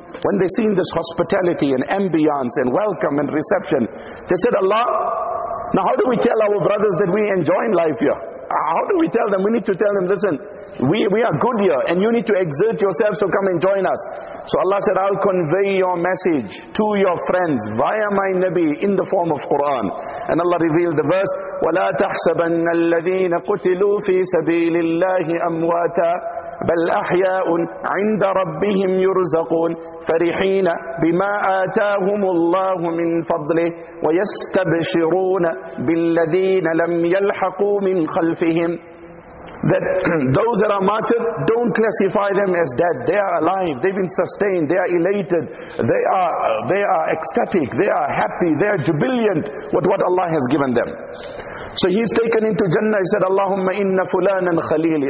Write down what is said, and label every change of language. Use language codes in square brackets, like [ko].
[en] When they seen this hospitality and ambience and welcome and reception, they said, Allah, now how do we tell our brothers that we enjoy life here? How do we tell them? We need to tell them, listen, we are good here and you need to exert yourself, so come and join us. So Allah said, I'll convey your message to your friends via my Nabi in the form of Quran. And Allah revealed the verse, [ar] وَلَا تَحْسَبَنَّ الَّذِينَ قُتِلُوا فِي سَبِيلِ اللَّهِ أَمْوَاتًا بَلْ أَحْيَاءٌ عِنْدَ رَبِّهِمْ يُرْزَقُونَ فَرِحِينَ بِمَا آتَاهُمُ اللَّهُ مِنْ فَضْلِهِ وَيَسْتَبْشِرُونَ بِالَّذِينَ لَمْ يَلْحَقُوا مِنْ خَلْفِهِمْ. [en] That those that are martyred, don't classify them as dead. They are alive, they've been sustained, they are elated, they are ecstatic, they are happy, they are jubilant with what Allah has given them. So he's taken into Jannah. He said, [ar] Allahumma inna fulanan khalili.